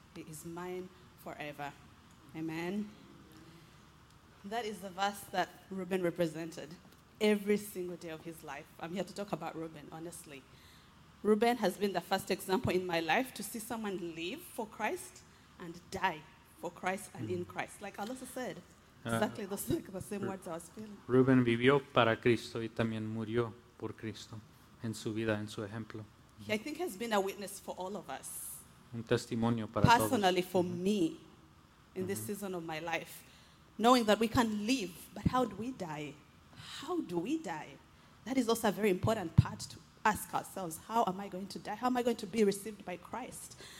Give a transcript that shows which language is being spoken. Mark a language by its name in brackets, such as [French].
[English] He is mine forever. Amen. That is the verse that Reuben represented. Every single day of his life. I'm here to talk about Reuben, honestly. Reuben has been the first example in my life to see someone live for Christ and die for Christ and in Christ. Like Alyssa said, exactly the same words I was feeling. [Spanish] Reuben vivió para Cristo y también murió por Cristo en su vida, en su ejemplo. [English] I think he has been a witness for all of us. [Spanish] Un testimonio para [English] personally [Spanish] todos. [English] For me in this season of my life. Knowing that we can live, but how do we die? How do we die? That is also a very important part to ask ourselves. How am I going to die? How am I going to be received by Christ?